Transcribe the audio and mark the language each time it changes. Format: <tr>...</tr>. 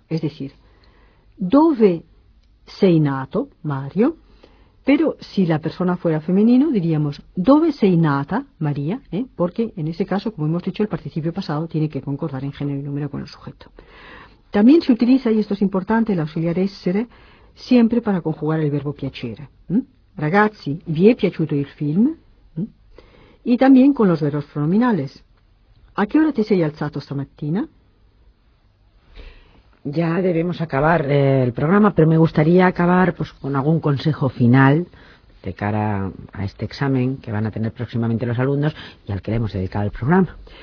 <es>Es decir,</es> <it>dove sei nato, Mario,</it> <es>pero si la persona fuera femenino diríamos</es> <it>dove sei nata, María,</it> <es>porque en ese caso, como hemos dicho, el participio pasado tiene que concordar en género y número con el sujeto. También se utiliza, y esto es importante, el auxiliar essere siempre para conjugar el verbo piacere.</es> <it>Ragazzi, vi è piaciuto il film?</it> <es>Y también con los verbos pronominales. ¿A qué hora</es> <it>te sei alzato stamattina?</it> <es>Ya debemos acabar el programa, pero me gustaría acabar pues con algún consejo final de cara a este examen que van a tener próximamente los alumnos y al que le hemos dedicado el programa.</es>